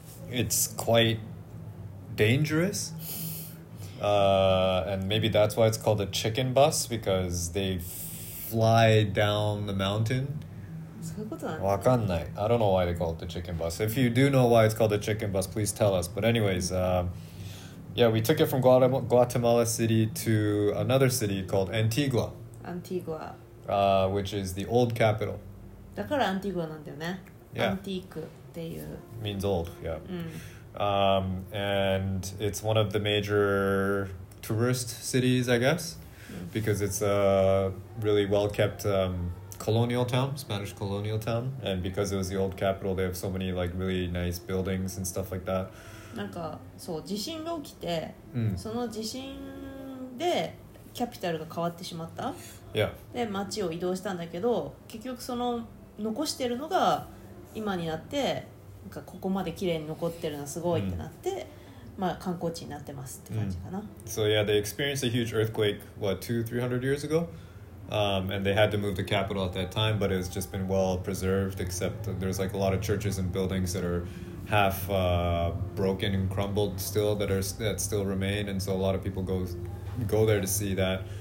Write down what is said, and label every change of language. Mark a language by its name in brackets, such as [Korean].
[English] It's quite dangerous. And maybe that's why it's called a chicken bus, because they've fly down the mountain. [Japanese] そういうことなんだ。わかんない。 [English] I don't know why they call it the chicken bus. If you do know why it's called the chicken bus, please tell us. But anyways, yeah, we took it from Guatemala City to another city called Antigua. Antigua. Which is the old capital. [Japanese] だから Antigua なんだよね。 [English] Yeah. [Japanese] Antique っていう。 [English] Means old, yeah. Mm. And it's one of the major tourist cities, I guess. Because it's a really well-kept colonial town, Spanish colonial town. And because it was the old capital, they have so many like, really nice buildings and stuff like that. [Japanese] なんかそう、地震が起きて、その地震でキャピタルが変わってしまった。 [English] Yeah. [Japanese] で、街を移動したんだけど、結局その残してるのが今になって、なんかここまで綺麗に残ってるのすごいってなって、 [English] So yeah, they experienced a huge earthquake, what, 200-300 years ago? And they had to move the capital at that time, but it's just been well preserved, except there's like a lot of churches and buildings that are half broken and crumbled still, that still remain, and so a lot of people go there to see that.